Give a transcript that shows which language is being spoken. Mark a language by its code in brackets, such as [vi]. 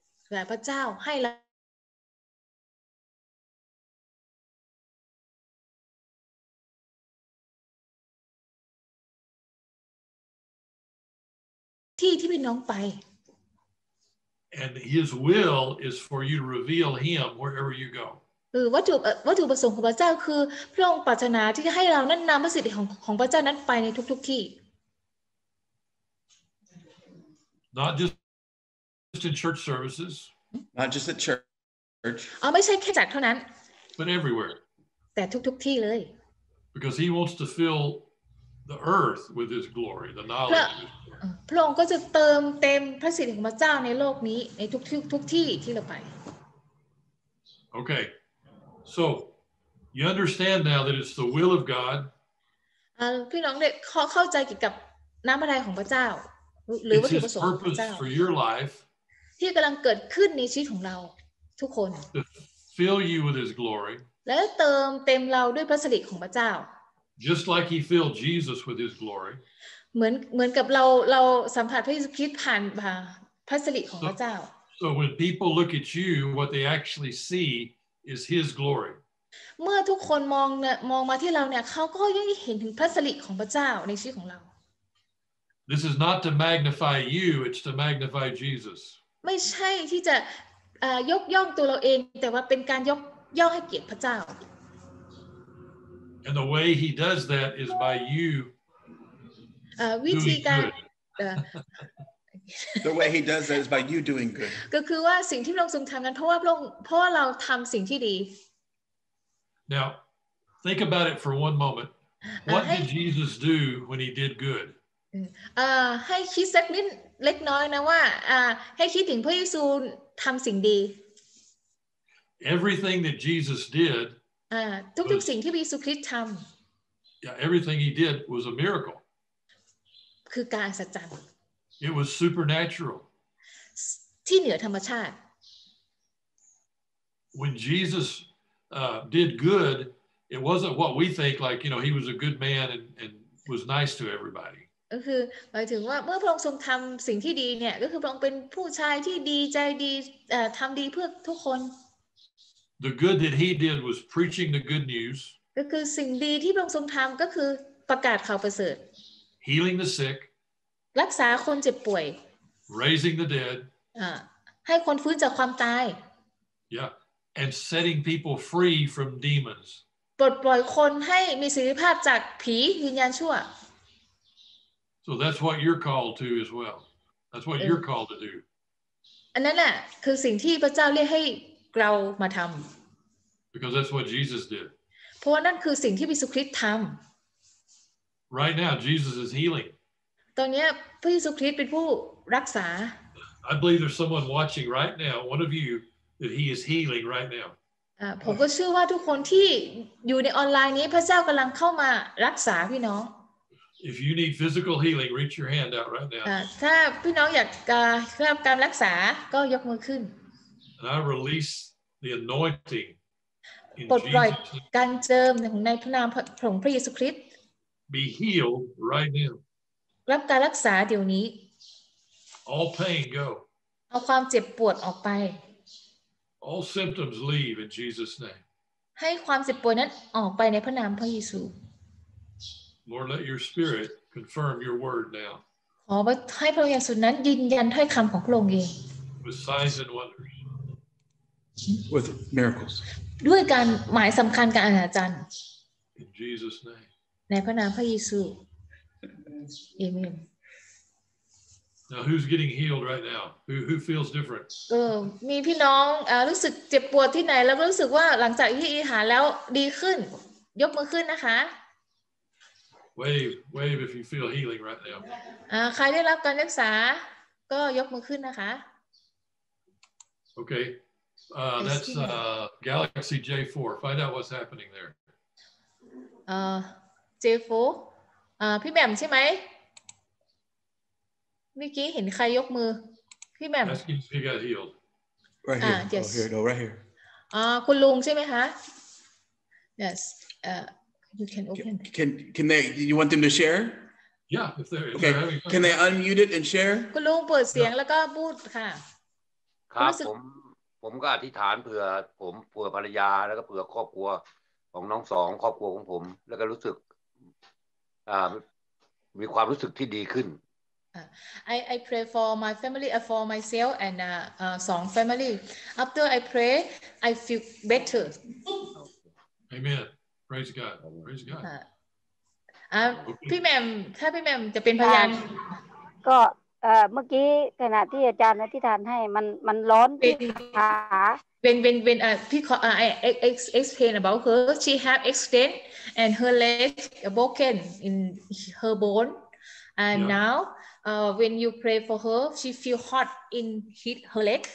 [th] แต่พระเจ้าให้แล้วที่พี่น้องไป [en] And his will is for you to reveal him wherever you go. [th] วัตถุประสงค์ของพระเจ้าคือพระองค์ปรารถนาที่จะให้เรานั้นนำพระสิริของพระเจ้านั้นไปในทุกๆที่ [en] Not just in church services. Not just at church. [th] ไม่ใช่แค่จัดเท่านั้น [en] But everywhere. [th] แต่ทุกๆที่เลย [en] Because he wants to fill the earth with his glory, the knowledge of his glory. [th] พระองค์ก็จะเติมเต็มพระสิริของพระเจ้าในโลกนี้ในทุกที่ที่เราไป [en] โอเค so you understand now that it's the will of God [th] พี่น้องได้เข้าใจเกี่ยวกับน้ำพระทัยของพระเจ้าหรือวัตถุประสงค์ของพระเจ้า [en] for your life [th] ที่กำลังเกิดขึ้นในชีวิตของเราทุกคน [en] fill you with his glory [th] และเติมเต็มเราด้วยพระสิริของพระเจ้า [en] just like he filled Jesus with his glory [th] เหมือนกับเราสัมผัสพระเยซูคริสต์ผ่านพระสิริของพระเจ้า [en] so when people look at you what they actually see is his glory [th] เมื่อทุกคนมองมาที่เราเนี่ยเขาก็ยังเห็นถึงพระสิริของพระเจ้าในชีวิตของเรา [en] This is not to magnify you it's to magnify Jesus [th] ไม่ใช่ที่จะยกย่องตัวเราเองแต่ว่าเป็นการยกย่องให้เกียรติพระเจ้า [en] And the way he does that is by you [th] วิธีการ [en] The way he does that is by you doing good [th] ก็คือว่าสิ่งที่พระองค์ทรงทำนั้นเพราะว่าเราทำสิ่งที่ดี [en] Now, think about it for one moment. What did Jesus do when he did good? [th] ให้คิดสักนิดเล็กน้อยนะว่าให้คิดถึงพระเยซูทำสิ่งดี [en] Everything that Jesus did. [th] ทุกสิ่งที่พระเยซูคริสต์ทำ [en] Yeah, everything he did was a miracle. [th] คือการอัศจรรย์ [en] It was supernatural. [th] ที่เหนือธรรมชาติ [en] When Jesus. Did good. It wasn't what we think. Like you know, he was a good man and was nice to everybody. [th] ก็คือหมายถึงว่าเมื่อพระองค์ทรงทำสิ่งที่ดีเนี่ยก็คือพระองค์เป็นผู้ชายที่ดีใจดีทำดีเพื่อทุกคน [en] The good that he did was preaching the good news. [th] ก็คือสิ่งดีที่พระองค์ทรงทำก็คือประกาศข่าวประเสริฐ [en] Healing the sick. [th] รักษาคนเจ็บป่วย [en] Raising the dead. [th] ให้คนฟื้นจากความตาย [en] Yeah. And setting people free from demons. [th] ปลดปล่อยคนให้มีสิทธิภาพจากผีวิญญาณชั่ว [en] So that's what you're called to as well. That's what you're called to do. [th] อันนั้นน่ะคือสิ่งที่พระเจ้าเรียกให้เรามาทำ [en] Because that's what Jesus did. [th] เพราะว่านั่นคือสิ่งที่พระเยซูคริสต์ทำ [en] Right now, Jesus is healing. [th] ตอนนี้พระเยซูคริสต์เป็นผู้รักษา [en] I believe there's someone watching right now. One of you. That he is healing right now. [th] ผมก็เชื่อว่าทุกคนที่อยู่ในออนไลน์นี้พระเจ้ากำลังเข้ามารักษาพี่น้อง [en] If you need physical healing, reach your hand out right now. [th] ถ้าพี่น้องอยากรับการรักษาก็ยกมือขึ้น [en] And I release the anointing. [th] ปลดปล่อยการเจิมในพระนามของพระเยซูคริสต์ [en] Be healed right now. [th] รับการรักษาเดี๋ยวนี้ [en] All pain go. [th] เอาความเจ็บปวดออกไป [en] All symptoms leave in Jesus' name. [th] ให้ความเจ็บป่วยนั้นออกไปในพระนามพระเยซู [en] Lord, let your spirit confirm your word now. [th] ขอให้พระเยซูนั้นยืนยันถ้อยคำของพระองค์เอง [en] With signs and wonders. With miracles. [th] ด้วยการหมายสำคัญการอัศจรรย์ [en] In Jesus' name. [th] ในพระนามพระเยซู Amen. [en] Now who's getting healed right now? Who feels different? [th] มีพี่น้องรู้สึกเจ็บปวดที่ไหนแล้วก็รู้สึกว่าหลังจากที่หายแล้วดีขึ้นยกมือขึ้นนะคะ [en] Wave if you feel healing right now. [th] ใครได้รับการรักษาก็ยกมือขึ้นนะคะ [en] Okay. That's Galaxy J4. Find out what's happening there. J4. [th] พี่แหม่มใช่ไหมเมื่อกี้เห็นใครยกมือพี่แหม่ม [en] Asking if he got healed. Right here. Yes. Oh, here, no, right here. [th] คุณลุงใช่ไหมคะ [en] Yes. You can open. Can they? You want them to share? Yeah. If they're okay. Can they unmute it and share? [th] คุณลุงเปิดเสียงแล้วก็พูดค่ะ ครับผมก็อธิษฐานเผื่อภรรยาแล้วก็เผื่อครอบครัวของน้องสองครอบครัวของผมแล้วก็รู้สึกมีความรู้สึกที่ดีขึ้น [en] I pray for my family, for myself and song family. After I pray, I feel better. Amen. Praise God. Praise God. [th] พี่แหม่มถ้าพี่แหม่มจะเป็นพยาน ก็เมื่อกี้ขณะที่อาจารย์อธิษฐานให้มันร้อนที่ขา เป็นพี่ขอ [en] explain about her. She have extend and her leg broken in her bone and yeah. nowwhen you pray for her, she feel hot in her leg.